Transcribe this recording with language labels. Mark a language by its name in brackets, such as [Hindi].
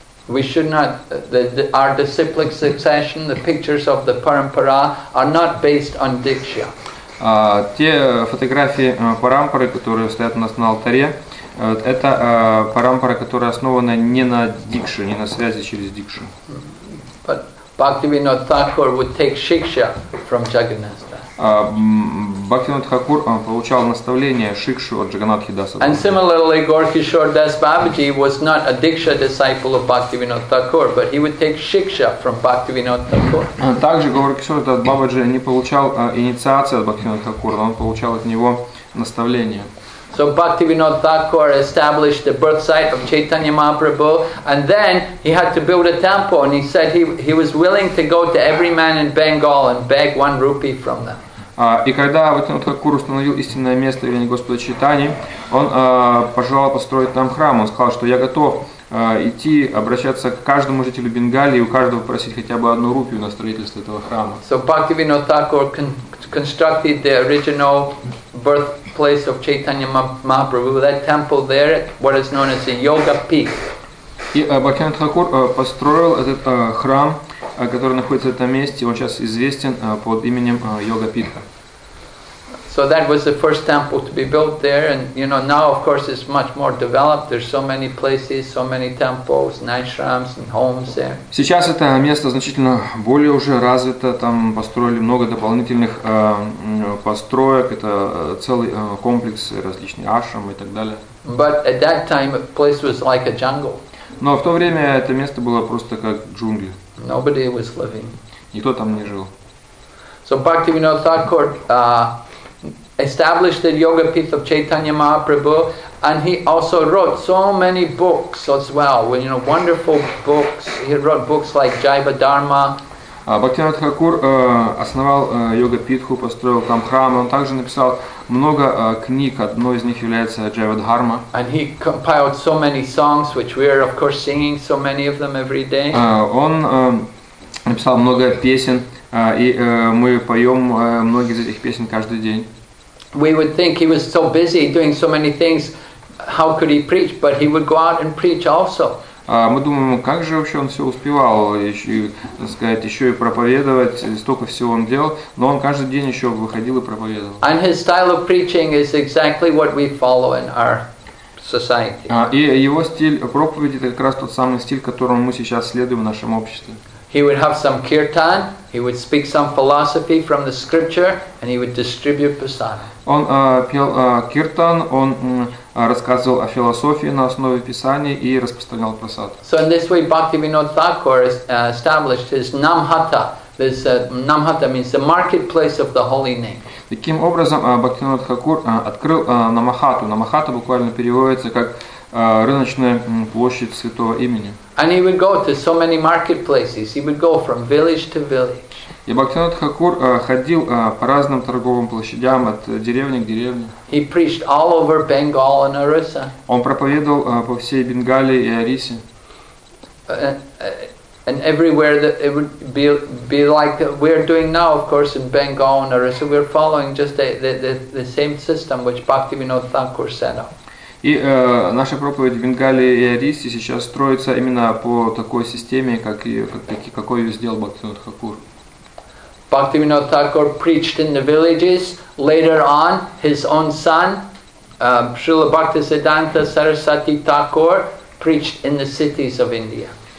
[English] We should not, our disciplic succession, the pictures of the Parampara are not based on Diksha. [Russian] Те фотографии Парампары, которые стоят у нас на алтаре, это Парампара, которая основана не на Дикше, не на связи через Дикшу. [English] Bhaktivinoda Thakur would take shiksha from Jagannath Das. [Russian] Bhaktivinoda Thakur получал наставление шикшу от Джаганнатхи Даса. [English] And similarly, Gaurkishore Das Babaji was not a Diksha disciple of Bhaktivinoda Thakur, but he would take shiksha from Bhaktivinoda Thakur. [Russian] Также Gaurkishore Das Babaji не получал инициации от Bhaktivinoda Thakur, но он получал от него наставление. [English] So Bhaktivinoda Thakur established the birth site of Chaitanya Mahaprabhu, and then he had to build a temple, and he said he was willing to go to every man in Bengal and beg 1 rupee from them. [Russian] И когда Бхактивинода Тхакура установил истинное место явления Господа Чайтаньи, он пожелал построить там храм. Он сказал, что я готов идти обращаться к каждому жителю Бенгалии и у каждого просить хотя бы 1 рупию на строительство этого храма. [English] So Bhaktivinoda Thakur constructed the original birthplace of Chaitanya Mahaprabhu, that temple there, what is known as the Yoga Peak. [Russian] И Бхактивинода Тхакур построил этот храм, который находится в этом месте, он сейчас известен под именем Йога Питха. [English] So that was the first temple to be built there, and you know, now of course it's much more developed. There's so many places, so many temples, ashrams and homes there. [Russian] Сейчас это место значительно более уже развито, там построили много дополнительных построек, это целый комплекс различных ашрам и так далее. [English] But at that time the place was like a jungle. [Russian] Но в то время это место было просто как джунгли. [English] Nobody was living. [Russian] Никто там не жил. [English] So Bhaktivinoda Thakur established the Yoga Peak of Chaitanya Mahaprabhu, and he also wrote so many books as well. You know, wonderful books. He wrote books like Jiva Dharma. [Russian] Bhaktivinoda Thakur основал Йога Питху, построил там храм. Он также написал много книг. Одной из них является Джайва Дхарма. [English] And he compiled so many songs, which we are, of course, singing so many of them every day. [Russian] Он написал много песен, и мы поем многие из этих песен каждый день. [English] We would think he was so busy doing so many things, how could he preach? But he would go out and preach also. [Russian] Мы думаем, как же вообще он все успевал, еще, так сказать, еще и проповедовать, столько всего он делал, но он каждый день еще выходил и проповедовал. [English] And his style of preaching is exactly what we follow in our society. [Russian] И его стиль проповеди – это как раз тот самый стиль, которому мы сейчас следуем в нашем обществе. [English] He would have some kirtan, he would speak some philosophy from the scripture, and he would distribute prasad. [Russian] Он пел киртан, он рассказывал о философии на основе писания и распространял прасад. [English] So in this way Bhaktivinoda Thakur established his Namhata. This Namhata means the marketplace of the holy name. [Russian] Таким образом Бхактивинода Тхакур открыл Намахату. Намахата буквально переводится как рыночная площадь святого имени. [English] And he would go to so many marketplaces. He would go from village to village. [Russian] И Бхактинат Хакур ходил по разным торговым площадям от деревни к деревне. [English] He preached all over Bengal and Orissa. [Russian] Он проповедовал по всей Бенгалии и Орисе. [English] And everywhere that it would be like that we're doing now, of course, in Bengal and Orissa, we're following just the same system which Bhaktivinoda Thakur set up. [Russian] И наша проповедь в Бенгалии и Орисе сейчас строится именно по такой системе, какой ее сделал Бхактивинода Хакур. [English] Bhaktivinoda Thakur preached in the villages. Later on, his own son, Srila Bhaktisiddhanta Sarasvati Thakur, preached in the cities of India.